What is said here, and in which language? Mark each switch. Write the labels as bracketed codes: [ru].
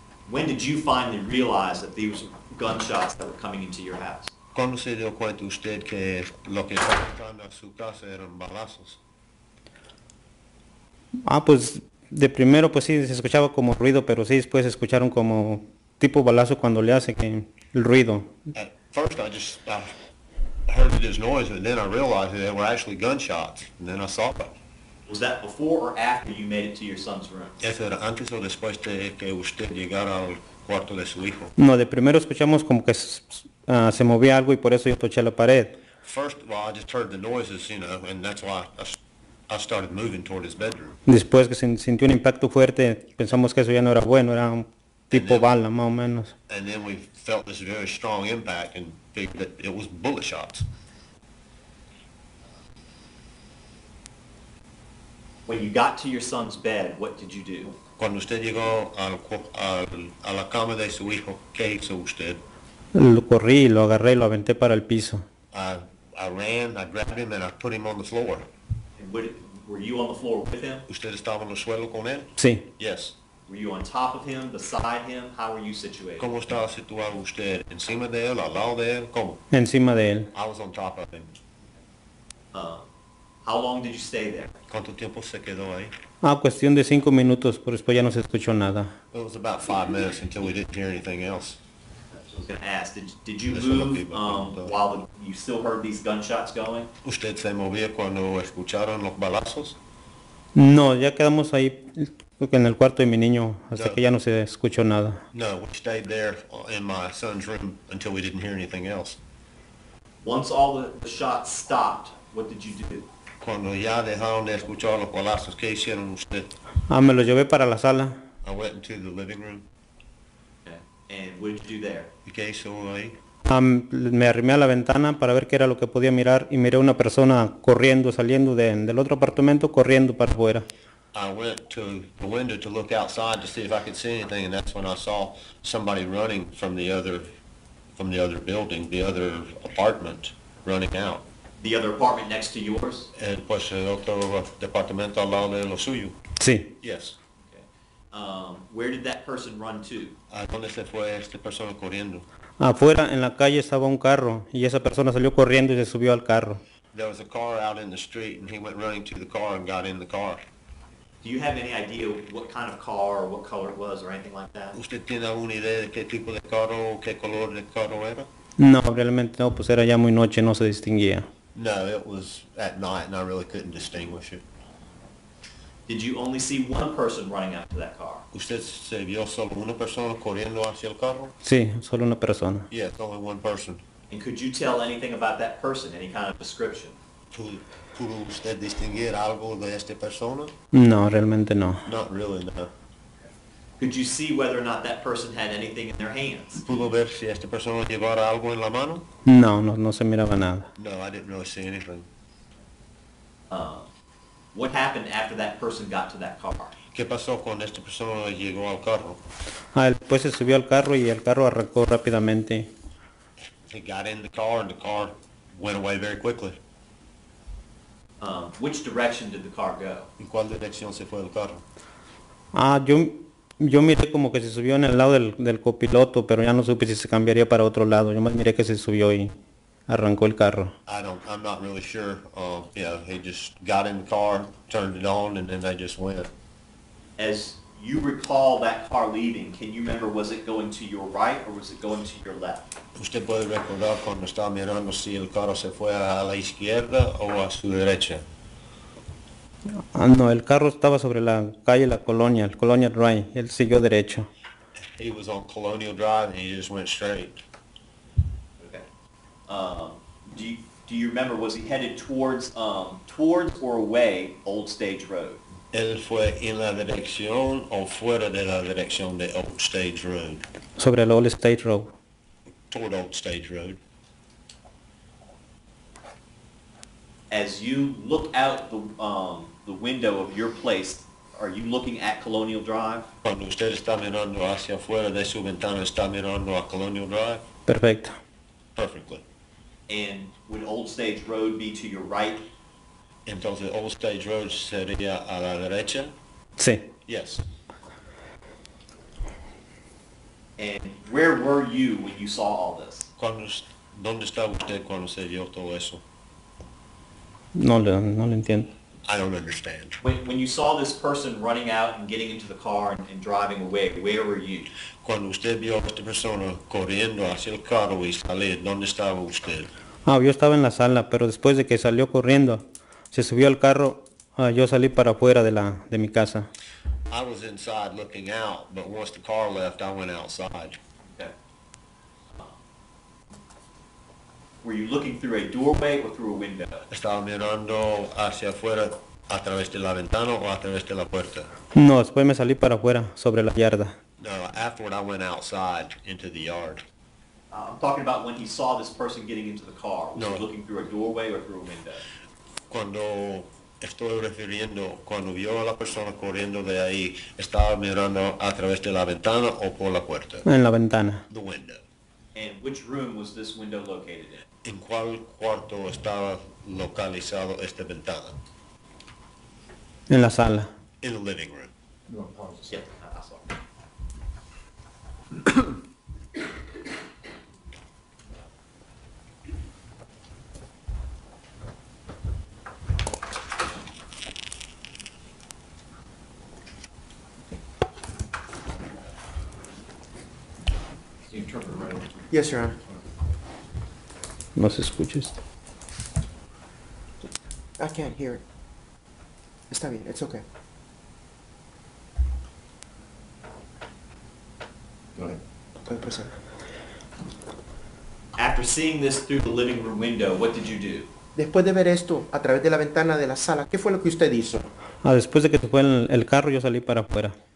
[en] When did you finally realize that these gunshots that were coming into your house? [es] ¿Cuándo se dio cuenta usted que lo que estaba entrando a su casa eran balazos? Ah, pues, de primero, pues sí, se escuchaba como ruido, pero sí, después se escucharon como tipo balazo cuando le hace que el ruido. [en] At first, I heard this noise, and then I realized that they were actually gunshots, and then I saw it. Was that before or after you made it to your son's room? [es] Eso era antes o después de que usted llegara al cuarto de su hijo. No, de primero escuchamos como que se movía algo, y por eso yo toché la pared. [en] First, well, I just heard the noises, you know, and that's why I started moving toward his bedroom. [es] Después que sintió un impacto fuerte, pensamos que eso ya no era bueno, era un tipo bala, más o menos. [en] And then we felt this very strong impact and figured that it was bullet shots. When you got to your son's bed, what did you do? [es] Cuando usted llegó a la cama de su hijo, ¿qué hizo usted? Lo corrí, lo agarré, lo aventé para el piso. [en] I ran, I grabbed him, and I put him on the floor. Were you on the floor with him? [es] ¿Usted estaba en el suelo con él? Sí. [en] Yes. Were you on top of him, beside him? How were you situated? [es] ¿Cómo estaba situado usted? ¿Encima de él, al lado de él? ¿Cómo? Encima de él. [en] I was on top of him. How long did you stay there? [es] ¿Cuánto tiempo se quedó ahí? Ah, cuestión de 5 minutos, pero después ya no se escuchó nada. [en] It was about 5 minutes until we didn't hear anything else. I was going to ask, did you move while you still heard these gunshots going? [es] ¿Usted se movía cuando escucharon los balazos? No, ya quedamos ahí en el cuarto de mi niño hasta que ya no se escuchó nada. [en] No, we stayed there in my son's room until we didn't hear anything else. Once all the shots stopped, what did you do? [es] Cuando ya dejaron de escuchar los balazos, ¿qué hicieron usted? Ah, me lo llevé para la sala. [en] I went into the living room. And what did you do there? [es] ¿Y qué hizo ahí? Me arrimé a la ventana para ver qué era lo que podía mirar y miré una persona corriendo, saliendo de, del otro apartamento, corriendo para afuera. [en] I went to the window to look outside to see if I could see anything, and that's when I saw somebody running from the other building, the other apartment, running out. The other apartment next to yours? [es] And pues el otro departamento al lado de lo suyo. Sí. [en] Yes. Okay. Where did that person run to? [es] ¿A dónde se fue esta persona corriendo? Afuera, en la calle, estaba un carro, y esa persona salió corriendo y se subió al carro. [en] There was a car out in the street, and he went running to the car and got in the car. Do you have any idea what kind of car or what color it was or anything like that? [es] ¿Usted tiene alguna idea de qué tipo de carro o qué color de carro era? No, realmente no, pues era ya muy noche, no se distinguía. [en] No, it was at night, and I really couldn't distinguish it. Did you only see one person running out to that car? [es] ¿Usted se vio solo una persona corriendo hacia el carro? Sí, solo una persona. [en] Yes, only one person. And could you tell anything about that person, any kind of description? [es] ¿Pudo usted distinguir algo de esta persona? No, realmente no. [en] Not really, no. Could you see whether or not that person had anything in their hands? [es] ¿Pudo ver si esta persona llevara algo en la mano? No, no, no se miraba nada. [en] No, I didn't really see anything. What happened after that person got to that car? [es] ¿Qué pasó cuando esta persona llegó al carro? Ah, pues se subió al carro y el carro arrancó rápidamente. [en] He got in the car and the car went away very quickly. Which direction did the car go? [es] ¿En cuál dirección se fue el carro? Yo miré como que se subió en el lado del copiloto, pero ya no supe si se cambiaría para otro lado. Yo más miré que se subió y arrancó el carro. [en] I'm not really sure. He just got in the car, turned it on, and then they just went. As you recall that car leaving, can you remember, was it going to your right or was it going to your left? [es] ¿Usted puede recordar cuando estaba mirando si el carro se fue a la izquierda o a su derecha? No, el carro estaba sobre la calle La Colonia, el Colonial Drive. Él siguió derecho. [en] He was on Colonial Drive and he just went straight. Do you remember, was he headed towards or away Old Stage Road? [es] ¿Él fue en la dirección o fuera de la dirección de Old Stage Road? Sobre el Old Stage Road. [en] Toward Old Stage Road. As you look out the window of your place, are you looking at Colonial Drive? [es] Cuando usted está mirando hacia afuera de su ventana, está mirando a Colonial Drive? Perfecto. [en] Perfectly. And would Old Stage Road be to your right? [es] Entonces, Old Stage Road sería a la derecha? Sí. [en] Yes. And where were you when you saw all this? [es] ¿Dónde estaba usted cuando se vio todo eso? No lo entiendo. [en] I don't understand. When you saw this person running out and getting into the car and driving away, where were you? [es] Cuando usted vio a esta persona corriendo hacia el carro y salir, ¿dónde estaba usted? Yo estaba en la sala, pero después de que salió corriendo, se subió al carro, yo salí para afuera de mi casa. [en] I was inside looking out, but once the car left, I went outside. Were you looking through a doorway or through a window? [es] ¿Estaba mirando hacia afuera a través de la ventana o a través de la puerta? No, después me salí para afuera, sobre la yarda. [en] No, afterward I went outside into the yard. I'm talking about when he saw this person getting into the car. Was he looking through a doorway or through a window? [es] Cuando estoy refiriendo, cuando vio a la persona corriendo de ahí, ¿estaba mirando a través de la ventana o por la puerta? En la ventana. [en] The window. And which room was this window located in? [es] ¿En cuál cuarto estaba localizado esta ventana? En la sala. [en] In the living room. You want to pause a second? Yeah, I'm sorry. Yes, Your Honor. [es] No se escucha esto. [en] I can't hear it. [es] Está bien, [en] it's okay. Go ahead. After seeing this through the living room window, what did you do? [es] Después de ver esto a través de la ventana de la sala, ¿qué fue lo que usted hizo? Después de que se fue el carro, yo salí para afuera.